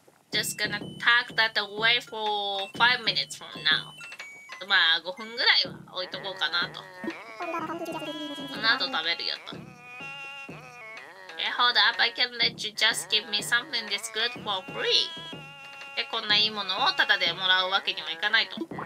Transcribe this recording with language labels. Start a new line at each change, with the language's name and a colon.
English: Just gonna tuck that away for 5 minutes from now.
Japanese: まあ5分ぐらいは置いとこうかなと。この後食べるよと。
English: Hey, hold up. I can let you just give me something this good for free.
Japanese: で、こんないいものをタダでもらうわけにはいかないと。